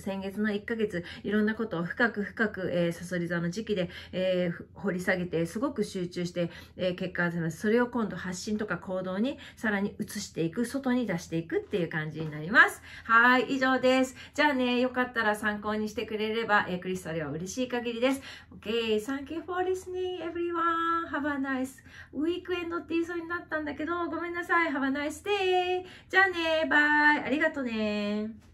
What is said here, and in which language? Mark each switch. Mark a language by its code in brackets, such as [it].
[ja] 先月の1ヶ月いろんなことを深く、サソリ座の時期で、掘り下げてすごく集中して、結果が出ます。それを今度発信とか行動にさらに移していく、外に出していくっていう感じになります。はい、以上です。じゃあね、よかったら参考にしてくれれば、クリスタルは嬉しい限りです。 [en] OK, thank you for listening everyone. Have a nice weekend [ja] って言いそうになったんだけど、ごめんなさい。 [en] Have a nice day. [ja] じゃあね、バイ、ありがとうね。